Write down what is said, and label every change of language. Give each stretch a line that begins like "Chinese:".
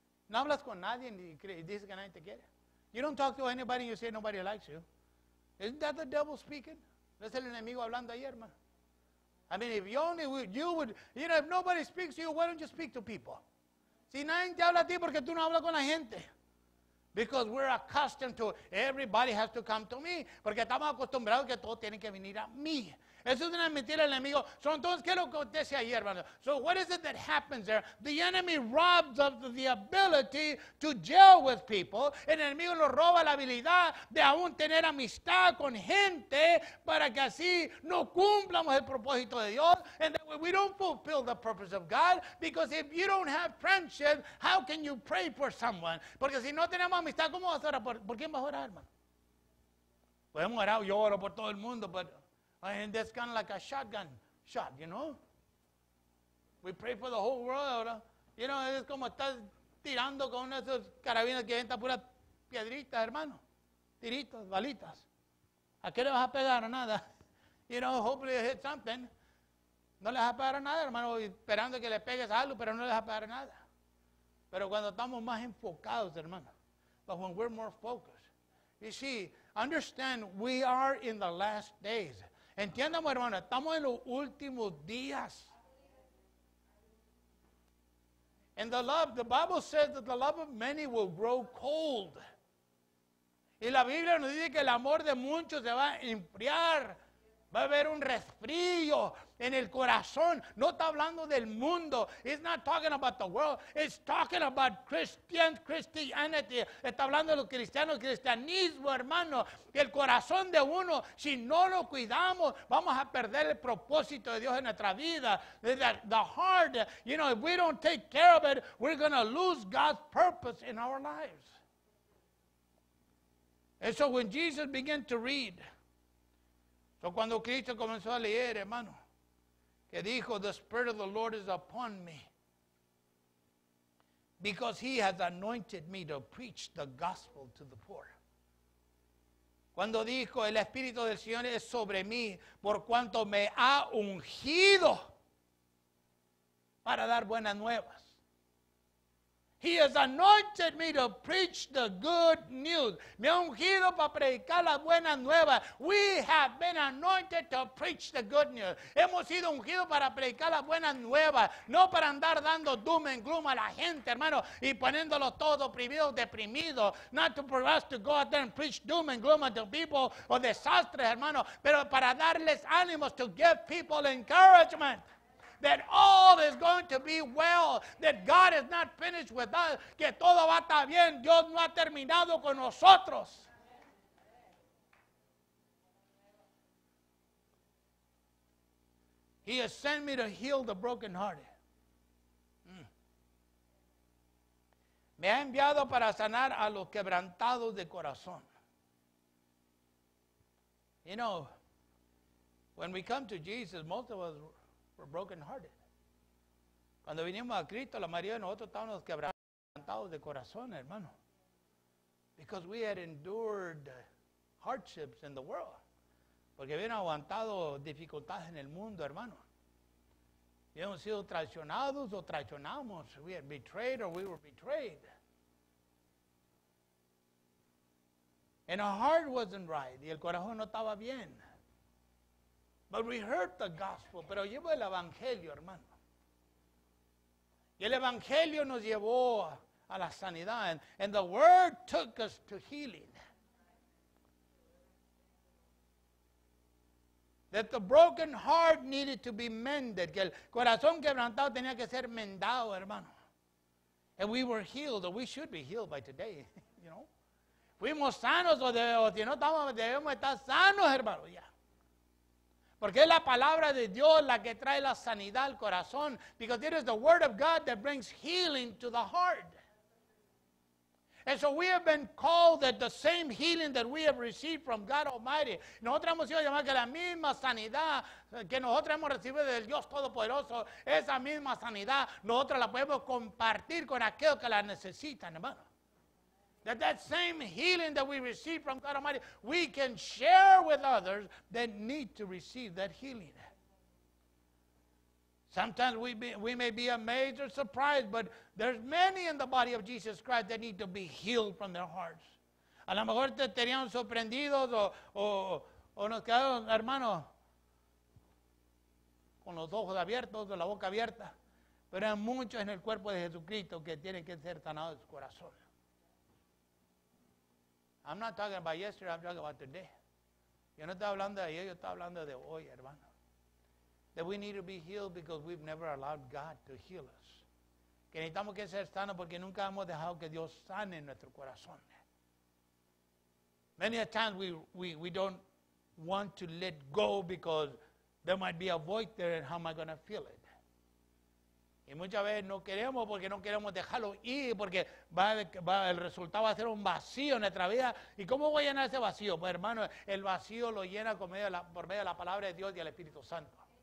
Spanish: No hablas con nadie y dices que nadie te quiere.
English: You don't talk to anybody and you say nobody likes you. Isn't that the devil speaking?
Spanish: ¿No es el enemigo hablando ahí, hermano?
English: I mean, if you only would, you would, you know, if nobody speaks to you, why don't you speak to people?
Spanish: Si nadie te habla a ti, ¿por qué tú no hablas con la gente?
English: Because we're accustomed to, everybody has to come to me.
Spanish: Porque estamos acostumbrados que todos tienen que venir a mí. Eso es una mentira del enemigo. So, entonces, ¿qué es lo que acontece ahí, hermano?
English: So, what is it that happens there? The enemy robs of the ability to gel with people.
Spanish: El enemigo nos roba la habilidad de aún tener amistad con gente para que así no cumplamos el propósito de Dios.
English: And that we don't fulfill the purpose of God. Because if you don't have friendship, how can you pray for someone?
Spanish: Porque si no tenemos amistad, ¿cómo vas a orar? ¿Por quién vas a orar, hermano? Podemos orar, yo oro por todo el mundo, pero...
English: And that's kind of like a shotgun shot, you know? We pray for the whole world. You know, it's
Spanish: como estás tirando con esos carabinas que entran puras piedritas, hermano. Tiritos, balitas. ¿A qué le vas a pegar o nada?
English: You know, hopefully it hit something.
Spanish: No le vas a pegar a nada, hermano, esperando que le pegues algo, pero no le vas a pegar a nada. Pero cuando estamos más enfocados, hermano.
English: But when we're more focused. You see, understand we are in the last days.
Spanish: Entiéndame, hermano, estamos en los últimos días.
English: And the Bible says that the love of many will grow cold.
Spanish: Y la Biblia nos dice que el amor de muchos se va a enfriar. Va a haber un resfrío en el corazón. No está hablando del mundo.
English: It's not talking about the world. It's talking about Christianity.
Spanish: Está hablando de los cristianos, cristianismo, hermano. El corazón de uno, si no lo cuidamos, vamos a perder el propósito de Dios en nuestra vida.
English: The heart, you know, if we don't take care of it, we're going to lose God's purpose in our lives. And so when Jesus began to read,
Spanish: o cuando Cristo comenzó a leer, hermano, que dijo,
English: the Spirit of the Lord is upon me because he has anointed me to preach the gospel to the poor.
Spanish: Cuando dijo, el Espíritu del Señor es sobre mí por cuanto me ha ungido para dar buenas nuevas.
English: He has anointed me to preach the good news.
Spanish: Me ha ungido para predicar las buenas nuevas.
English: We have been anointed to preach the good news.
Spanish: Hemos sido ungidos para predicar las buenas nuevas. No para andar dando
English: doom and gloom
Spanish: a la gente, hermano. Y poniéndolo todo oprimido, deprimido.
English: Not to for us to go out there and preach doom and gloom to people or
Spanish: desastres, hermano. Pero para darles ánimos,
English: to give people encouragement. That all is going to be well. That God is not finished with us.
Spanish: Que todo va a estar bien. Dios no ha terminado con nosotros.
English: He has sent me to heal the brokenhearted.
Spanish: Me ha enviado para sanar a los quebrantados de corazón.
English: You know, When we come to Jesus, most of us were brokenhearted.
Spanish: Cuando vinimos a Cristo, la mayoría de nosotros estábamos quebrantados de corazón, hermano.
English: Because we had endured hardships in the world.
Spanish: Porque habían aguantado dificultades en el mundo, hermano. Habíamos sido traicionados o traicionamos.
English: We had betrayed or we were betrayed. And our heart wasn't right.
Spanish: Y el corazón no estaba bien.
English: But we heard the gospel.
Spanish: Pero llevo el evangelio, hermano. Y el evangelio nos llevó a la sanidad.
English: And the word took us to healing. That the broken heart needed to be mended.
Spanish: Que el corazón quebrantado tenía que ser mendado, hermano.
English: And we were healed, or we should be healed by today, you know.
Spanish: Fuimos sanos, o si no estamos, debemos estar sanos, hermano, ya. Porque es la palabra de Dios la que trae la sanidad al corazón.
English: Because it is the word of God that brings healing to the heart. And so we have been called that the same healing that we have received from God Almighty.
Spanish: Nosotros hemos sido llamados que la misma sanidad que nosotros hemos recibido del Dios Todopoderoso, esa misma sanidad, nosotros la podemos compartir con aquellos que la necesitan, hermano.
English: That same healing that we receive from God Almighty, we can share with others that need to receive that healing. Sometimes we may be amazed or surprised, but there's many in the body of Jesus Christ that need to be healed from their hearts.
Spanish: A lo mejor te teníamos sorprendidos o nos quedaron, hermano, con los ojos abiertos o la boca abierta, pero hay muchos en el cuerpo de Jesucristo que tienen que ser sanados de su corazón.
English: I'm not talking about yesterday, I'm talking about today.
Spanish: Yo no estoy hablando de ayer, yo estoy hablando de hoy, hermano.
English: That we need to be healed because we've never allowed God to heal us.
Spanish: Que necesitamos que ser sanos porque nunca hemos dejado que Dios sane nuestro corazón.
English: Many a times we don't want to let go because there might be a void there and how am I going to fill it?
Spanish: Y muchas veces no queremos porque no queremos dejarlo ir porque el resultado va a ser un vacío en nuestra vida. ¿Y cómo voy a llenar ese vacío? Pues hermano, el vacío lo llena por medio de la palabra de Dios y el Espíritu Santo.